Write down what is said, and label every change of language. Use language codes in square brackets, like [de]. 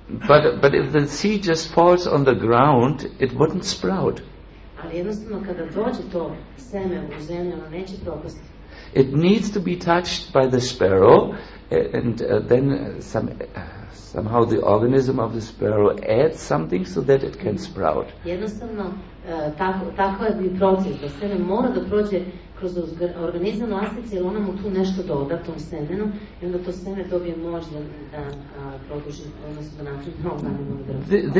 [en] But if the seed just falls on the ground, it wouldn't sprout. [sr] Ali jednostavno kada dođe to seme u zemlju, ono neće propasti. [en] It needs to be touched by the sparrow, and then somehow the organism of the sparrow adds something so that it can sprout. [sr] Jednostavno tako je proces da seme mora da prođe kroz organizam lastice, jer ona mu tu nešto doda tom semenu, i onda to seme dobije moć da produži, odnosno da napravi novu organizam.